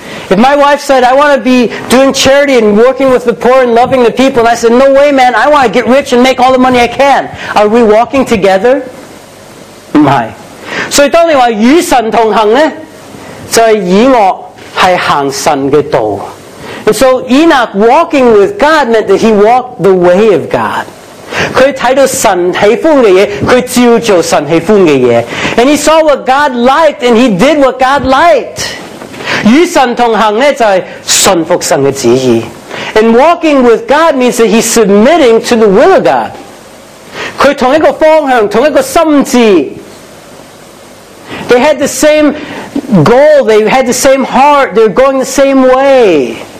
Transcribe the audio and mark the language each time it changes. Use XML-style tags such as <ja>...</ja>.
<en>If my wife said, I want to be doing charity and working with the poor and loving the people, and I said, no way man, I want to get rich and make all the money I can, are we walking together?</en> <zh>不是。所以当你说与神同行呢, 就是以我是行神的道。</zh> <en>And so Enoch walking with God meant that he walked the way of God.</en> <zh>他看到神喜欢的东西,他照做神喜欢的东西。</zh> <en>And he saw what God liked, and he did what God liked.</en> <zh>与神同行呢,就是顺服神的旨意。</zh> <en>And walking with God means that he's submitting to the will of God.</en> <zh>他同一个方向,同一个心智。</zh> <en>They had the same goal, they had the same heart, they're going the same way.</en>